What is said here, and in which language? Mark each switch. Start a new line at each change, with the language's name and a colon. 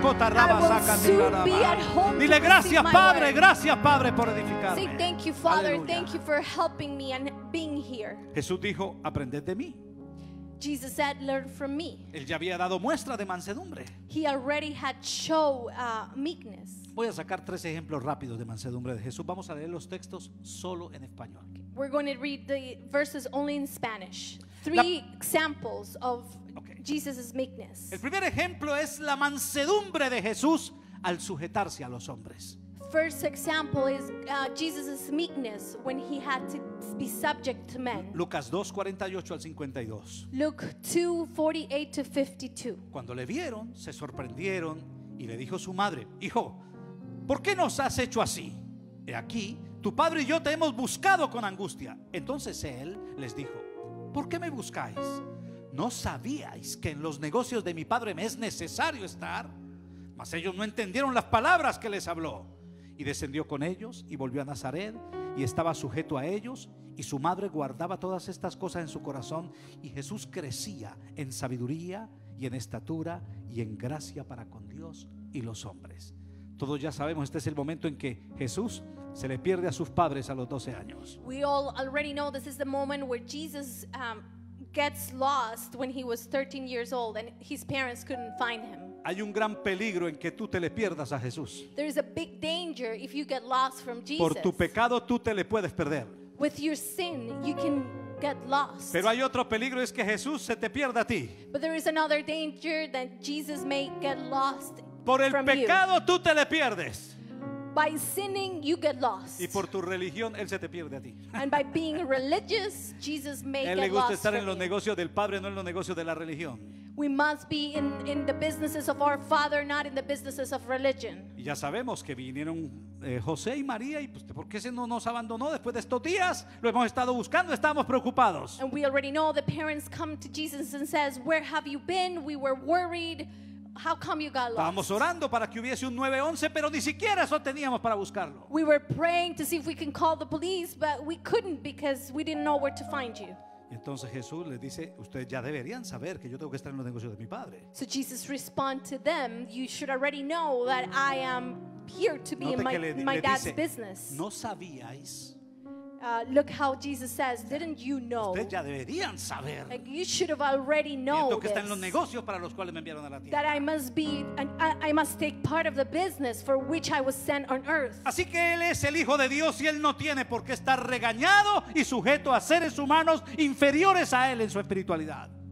Spanish: Cota raba saca mi palabra. Dile gracias Padre por edificarme.
English: Say thank you Father, thank you for helping me and being here.
Spanish: Jesús dijo, aprended de mí.
English: Jesus said, learn from me.
Spanish: Él ya había dado muestra de mansedumbre.
English: He already had show meekness.
Spanish: Voy a sacar tres ejemplos rápidos de mansedumbre de Jesús. Vamos a leer los textos solo en español.
English: Okay. We're going to read the verses only in Spanish. Three examples of Jesus's meekness.
Spanish: El primer ejemplo es la mansedumbre de Jesús al sujetarse a los hombres.
English: First example is Jesus's meekness when he had to be subject to men.
Spanish: Lucas 2:48-52.
English: Luke 2:48-52.
Spanish: Cuando le vieron, se sorprendieron y le dijo su madre, hijo, ¿por qué nos has hecho así? He aquí, tu padre y yo te hemos buscado con angustia. Entonces él les dijo, ¿por qué me buscáis? ¿No sabíais que en los negocios de mi padre me es necesario estar? Mas ellos no entendieron las palabras que les habló. Y descendió con ellos y volvió a Nazaret y estaba sujeto a ellos. Y su madre guardaba todas estas cosas en su corazón. Y Jesús crecía en sabiduría y en estatura y en gracia para con Dios y los hombres. Todos ya sabemos, este es el momento en que Jesús se le pierde a sus padres a los 12 años.
English: We all already know this is the moment where Jesus gets lost when he was 13 years old and his parents couldn't find him.
Spanish: Hay un gran peligro en que tú te le pierdas a Jesús.
English: There is a big danger if you get lost from Jesus.
Spanish: Por tu pecado tú te le puedes perder.
English: With your sin you can get lost.
Spanish: Pero hay otro peligro, es que Jesús se te pierda a ti.
English: But there is another danger that Jesus may get lost.
Spanish: Por el
English: from
Spanish: pecado
English: you.
Spanish: Tú te le pierdes.
English: By sinning you get lost.
Spanish: Y por tu religión él se te pierde a ti.
English: And by being religious Jesus may get lost.
Spanish: Él le gusta estar en los negocios del Padre, no en los negocios de la religión.
English: We must be in the businesses of our Father, not in the businesses of religion.
Spanish: Y ya sabemos que vinieron José y María, y pues ¿por qué se no nos abandonó después de estos días? Lo hemos estado buscando, estábamos preocupados.
English: And we already know the parents come to Jesus and says, "Where have you been? We were worried. How come you got lost?"
Spanish: Estábamos orando para que hubiese un 911, pero ni siquiera eso teníamos para buscarlo.
English: We were praying to see if we can call the police, but we couldn't because we didn't know where to find you.
Spanish: Entonces Jesús les dice, ustedes ya deberían saber que yo tengo que estar en los negocios de mi padre.
English: So Jesus respond to them, you should already know that I am here to be in my dad's business.
Spanish: No sabíais.
English: Look how Jesus says, didn't you know?
Spanish: Ustedes ya deberían saber.
English: Like you should have already known.
Spanish: Tengo que estar en los negocios para los cuales me enviaron a la tierra.
English: That I must be and I must take part of the business for which I was sent on earth.
Spanish: Así que él es el hijo de Dios y él no tiene por qué estar regañado y sujeto a seres humanos inferiores a él en su espiritualidad.